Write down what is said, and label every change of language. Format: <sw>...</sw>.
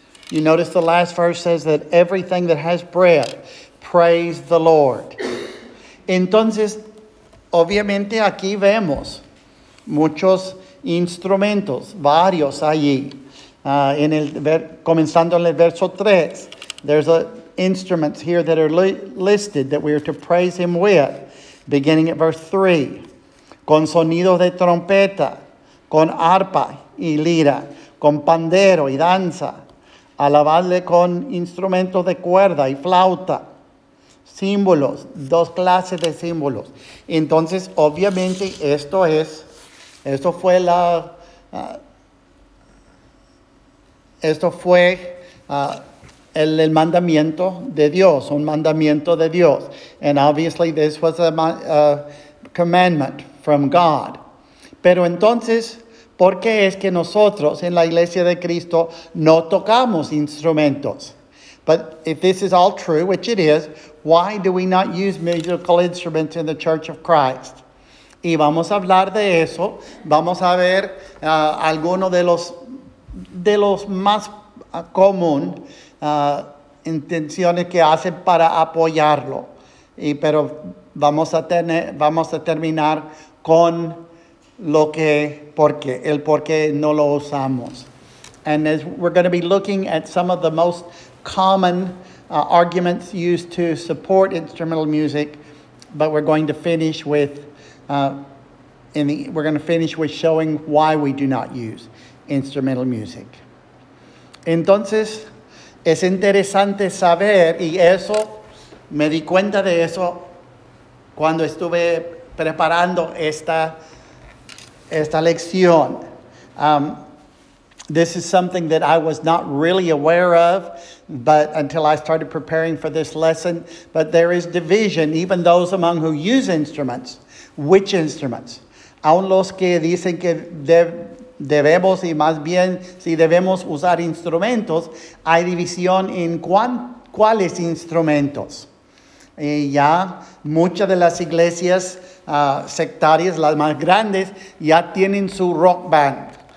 <en>You notice the last verse says that everything that has breath, praise the Lord.</en> <es>Entonces, obviamente aquí vemos muchos instrumentos, varios allí. Comenzando en el verso 3,</es> <en>there's instruments here that are listed that we are to praise him with. Beginning at verse 3,</en> <es>con sonidos de trompeta, con arpa y lira, con pandero y danza, alabarle con instrumentos de cuerda y flauta. Símbolos, dos clases de símbolos. Entonces, obviamente, esto fue el mandamiento de Dios, un mandamiento de Dios.</es> <en>And obviously this was a commandment from God.</en> <es>Pero entonces, ¿por qué es que nosotros en la Iglesia de Cristo no tocamos instrumentos?</es> <en>But if this is all true, which it is, why do we not use musical instruments in the Church of Christ?</en> <es>Y vamos a hablar de eso. Vamos a ver algunos de los más común intenciones que hacen para apoyarlo. Pero vamos a terminar con el por qué no lo usamos.</es> <en>And as we're going to be looking at some of the most common arguments used to support instrumental music, but we're going to finish with we're going to finish with showing why we do not use instrumental music.</en> <es>Entonces, es interesante saber, y eso, me di cuenta de eso cuando estuve preparando esta lección.</es> <en>This is something that I was not really aware of, but until I started preparing for this lesson, but there is division, even those among who use instruments. Which instruments?</en> <es>Aun los que dicen que debemos y más bien si debemos usar instrumentos, hay división en cuáles instrumentos. Y ya muchas de las iglesias sectarias, las más grandes, ya tienen su rock band.</es>